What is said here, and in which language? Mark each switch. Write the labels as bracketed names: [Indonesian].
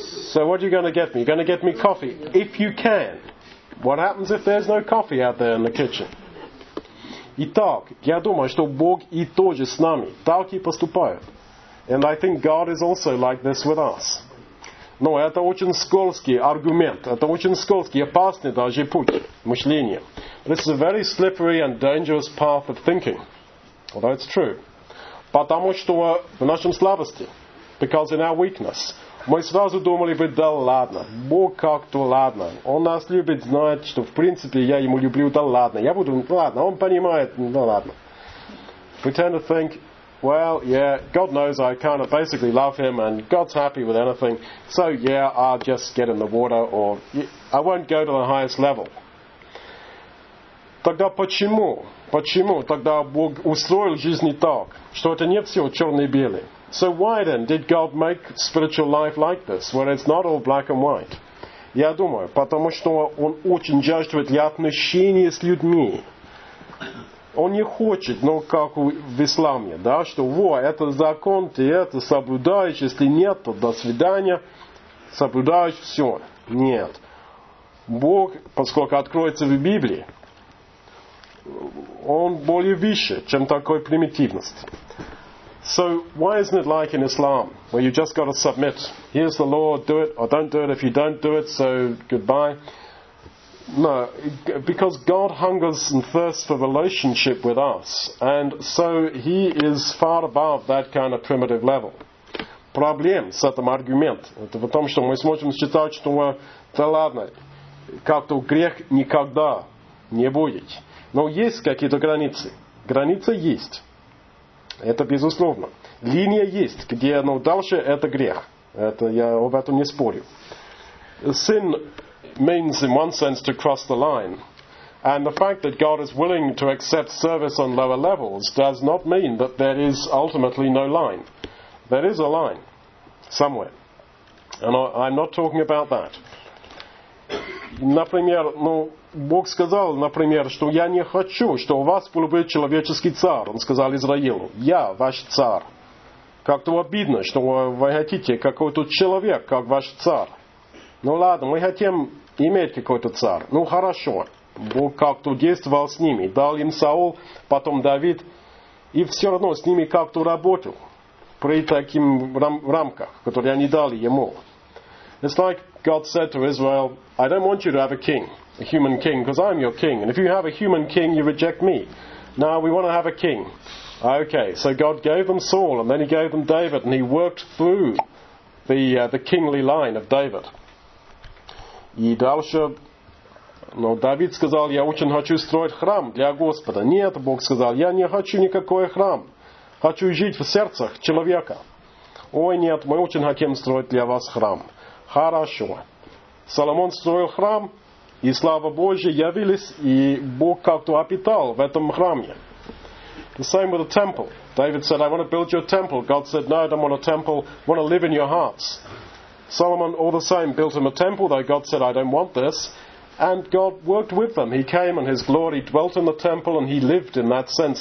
[English] So what are you going to get me? You're going to get me coffee, if you can. What happens if there's no coffee out there in the kitchen? [Russian] Итак, я думаю, что Бог и тоже с нами. Так и поступает. [English] And I think God is also like this with us. [Russian] Но это очень скользкий аргумент. Это очень скользкий, опасный даже путь мышления. [English] This is a very slippery and dangerous path of thinking. Although it's true. [Russian] Потому что в нашем слабости. [English] Because in our weakness. [Russian] Мы сразу думали бы, да ладно, Бог как-то ладно. Он нас любит, знает, что в принципе я ему люблю, да ладно. Я буду, да ладно, он понимает, да ладно. [English] We tend to think, well, yeah, God knows I kind of basically love him and God's happy with anything. So yeah, I'll just get in the water or I won't go to the highest level. [Russian] Тогда почему? Почему тогда Бог устроил жизнь так, что это не все черно-белое? [English] So why then did God make spiritual life like this, where it's not all black and white? [Russian] Я думаю, потому что он очень жаждет для отношения с людьми. Он не хочет, но как в исламе, да, что во, это закон, ты это соблюдаешь, если нет, то до свидания, соблюдаешь все. Нет. Бог, поскольку откроется в Библии, он более выше, чем такой примитивность. [English] So why isn't it like in Islam, where you just got to submit? Here's the law, do it or don't do it. If you don't do it, so goodbye. No, because God hungers and thirsts for relationship with us. And so he is far above that kind of primitive level. [Russian] Проблем с этим аргументом. Это в том, что мы сможем считать, что мы, да ладно, как-то грех никогда не будет. Но есть какие-то границы. Граница есть. Это безусловно. Линия есть, где, но дальше это грех. Это я об этом не спорю. [English] Sin means, in one sense, to cross the line. And the fact that God is willing to accept service on lower levels does not mean that there is ultimately no line. There is a line somewhere. And I'm not talking about that. [Russian] Например, ну, Бог сказал, например, что я не хочу, что у вас был бы человеческий царь. Он сказал Израилю, я ваш царь. Как-то обидно, что вы хотите какой-то человек, как ваш царь. Ну ладно, мы хотим иметь какой-то царь. Ну хорошо, Бог как-то действовал с ними. Дал им Саул, потом Давид. И все равно с ними как-то работал. При таких рамках, которые они дали ему. [English] It's like God said to Israel, I don't want you to have a king, a human king, because I'm your king. And if you have a human king, you reject me. Now we want to have a king. Okay, so God gave them Saul, and then he gave them David, and he worked through the kingly line of David. [Russian] И дальше, но Давид сказал, я очень хочу строить храм для Господа. Нет, Бог сказал, я не хочу никакой храм. Хочу жить в сердцах человека. Ой, нет, мы очень хотим строить для вас храм. Хорошо. Соломон строил храм, и слава Божия явились, и Бог как-то обитал в этом храме. [English] The same with the temple. David said, I want to build your temple. God said, no, I don't want a temple. I want to live in your hearts. Solomon, all the same, built him a temple, though God said, I don't want this. And God worked with them. He came and his glory dwelt in the temple, and he lived in that sense.